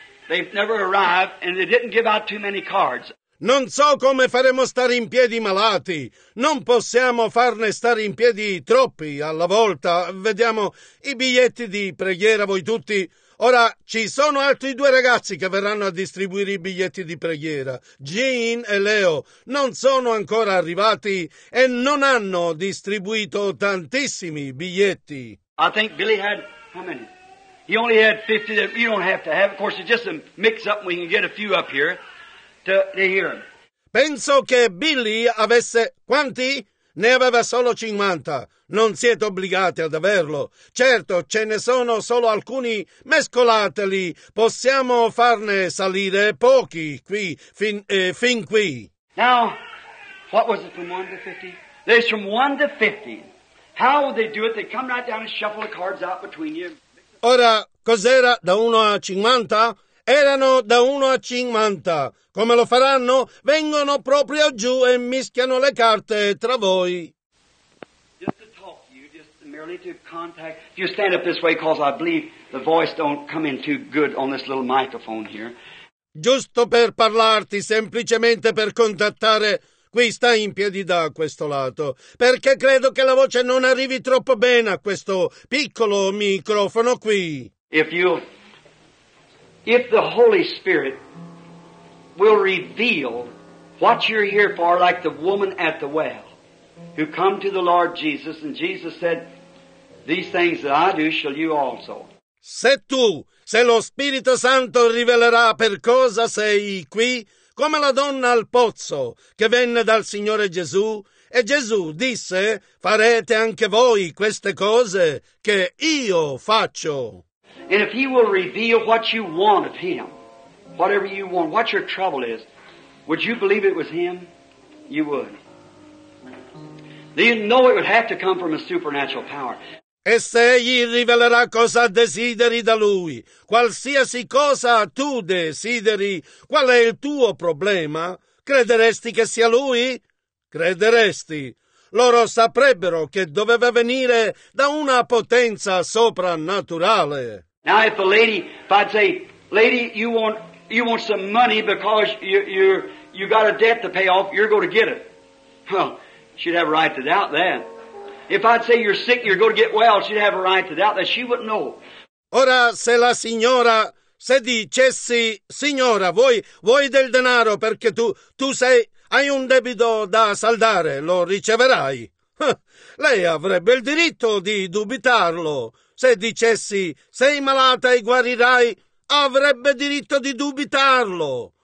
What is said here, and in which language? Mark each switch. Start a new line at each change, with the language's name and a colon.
English: They've never arrived and they didn't give out too many cards.
Italian: Non so come faremo stare in piedi malati. Non possiamo farne stare in piedi troppi alla volta. Vediamo i biglietti di preghiera voi tutti. Ora ci sono altri due ragazzi che verranno a distribuire i biglietti di preghiera. Gene e Leo non sono ancora arrivati e non hanno distribuito tantissimi biglietti.
English: I think Billy had how many? He only had 50 that you don't have to have. Of course, it's just a mix up. We can get a few up here to hear him.
Italian: Penso che Billy avesse quanti? Ne aveva solo 50. Non siete obbligati ad averlo. Certo, ce ne sono solo alcuni. Mescolateli. Possiamo farne salire pochi qui, fin qui.
English: Now, what was it from 1 to 50? There's from 1 to 50. How would they do it? They come right down and shuffle the cards out between you.
Italian: Ora, cos'era da 1 a 50? Erano da 1 a 50. Come lo faranno? Vengono proprio giù e mischiano le carte tra voi.
English: Just to talk to you, just merely to contact. If you stand up this way, because I believe the voice don't come in too good on this little microphone here.
Italian: Giusto per parlarti, semplicemente per contattare. Qui sta in piedi da questo lato, perché credo che la voce non arrivi troppo bene a questo piccolo microfono qui.
English: If the Holy Spirit will reveal what you're here for, like the woman at the well, who come to the Lord Jesus, and Jesus said, these things that I do shall you also.
Italian: Se tu, se lo Spirito Santo rivelerà per cosa sei qui, come la donna al pozzo che venne dal Signore Gesù, e Gesù disse, farete anche voi queste cose che io faccio.
English: And if he will reveal what you want of him, whatever you want, what your trouble is, would you believe it was him? You would. You know it would have to come from a supernatural power.
Italian: E se egli rivelerà cosa desideri da lui, qualsiasi cosa tu desideri, qual è il tuo problema? Crederesti che sia lui? Crederesti. Loro saprebbero che doveva venire da una potenza soprannaturale.
English: Now if the lady, if I'd say, lady, you want some money because you got a debt to pay off, you're going to get it. Well, she'd have a right to doubt that. If I'd say you're sick, you're going to get well, she'd have a right to doubt that. She wouldn't know.
Italian: Ora, se la signora, se dicessi, signora, vuoi del denaro perché tu sei, hai un debito da saldare, lo riceverai. Lei avrebbe il diritto di dubitarlo. Se dicessi, sei malata e guarirai, avrebbe diritto di dubitarlo.